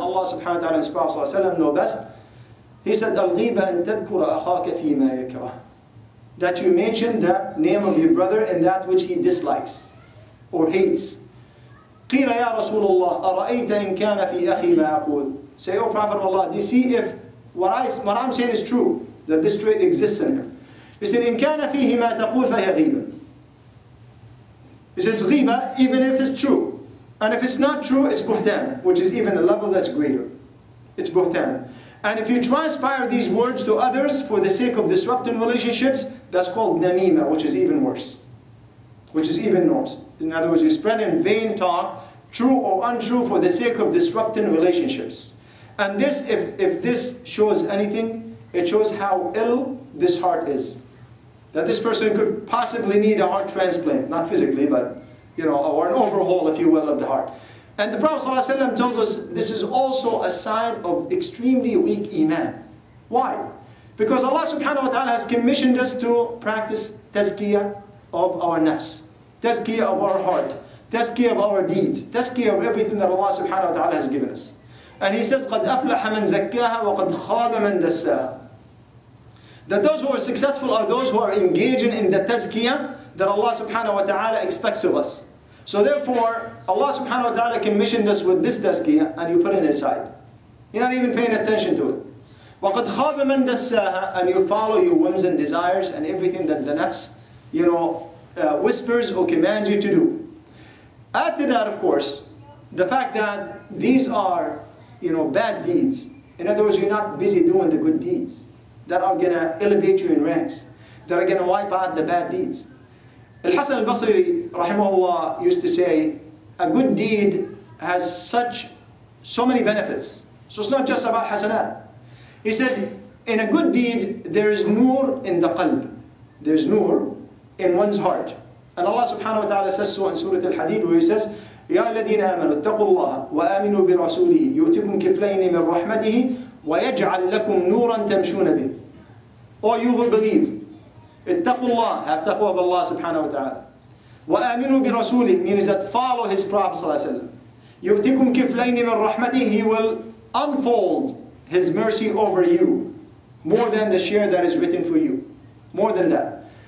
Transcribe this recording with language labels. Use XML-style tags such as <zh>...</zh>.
<en>Allah subhanahu wa ta'ala and His Prophet ﷺ know best. He said,</en> <ar>الْغِيبَ أَن تَذْكُرَ أَخَاكَ فِي مَا يَكْرَهُ.</ar> <en>that you mention the name of your brother and that which he dislikes or hates.</en> <ar>قِيلَ يَا رَسُولَ اللَّهِ أَرَأَيْتَ إِن كَانَ فِي أَخِي مَا أَقُولُ.</ar> <en>Say, O Prophet of Allah, do you see if what I'm saying is true, that this trait exists in him? He said,</en> <ar>إِن كَانَ فِيهِ مَا تَقُولُ فَهِيَ غِيبَةٌ.</ar> <en>He said, it's ghiba even if it's true. And if it's not true, it's buhtan, which is even a level that's greater. It's buhtan. And if you transpire these words to others for the sake of disrupting relationships, that's called namima, which is even worse. Which is even worse. In other words, you're spreading vain talk, true or untrue, for the sake of disrupting relationships. And this, if this shows anything, it shows how ill this heart is. That this person could possibly need a heart transplant, not physically, but, you know, or an overhaul, if you will, of the heart. And the Prophet ﷺ tells us this is also a sign of extremely weak iman. Why? Because Allah subhanahu wa ta'ala has commissioned us to practice tazkiyah of our nafs, tazkiyah of our heart, tazkiyah of our deeds, tazkiyah of everything that Allah subhanahu wa ta'ala has given us. And he says,</en> <ar>قَدْ أَفْلَحَ مَنْ زَكَّاهَا وَقَدْ خَابَ مَنْ دَسَّاهَا.</ar> <en>That those who are successful are those who are engaging in the tazkiyah that Allah subhanahu wa ta'ala expects of us. So therefore, Allah subhanahu wa ta'ala commissioned us with this tazkiyah, and you put it aside. You're not even paying attention to it.</en> <ar>وَقَدْ خَابَ مَنْ دَسَّاهَا.</ar> <en>And you follow your whims and desires and everything that the nafs, you know, whispers or commands you to do. Add to that, of course, the fact that these are, you know, bad deeds. In other words, you're not busy doing the good deeds that are going to elevate you in ranks, that are going to wipe out the bad deeds. Al-Hasan al-Basri, rahimahullah, used to say, a good deed has so many benefits. So it's not just about hasanat. He said, in a good deed, there is nur in the qalb. There's nur in one's heart. And Allah subhanahu wa ta'ala says so in Surah Al-Hadid, where he says,</en> <ar>يَا الَّذِينَ آمَنُوا اتَّقُوا اللَّهَ وَآمِنُوا بِرَسُولِهِ يُوتِكُمْ كِفْلَيْنِ مِنْ رَحْمَتِهِ وَيَجْعَلْ لَكُمْ نُورًا تَمْشُونَ بِهِ.</ar> <en>Or you who believe,</en> <ar>اتَّقُوا اللَّهَ,</ar> <en>have taqwa of Allah subhanahu wa ta'ala.</en> <ar>وَآمِنُوا بِرَسُولِهِ,</ar> <en>means that follow his Prophet sallallahu alayhi wa sallam.</en> <ar>يُوتِكُمْ كِفْلَيْنِ مِنْ رَحْمَتِهِ,</ar> <en>he will unfold his mercy over you more than the share that is written for you. More than that.</en>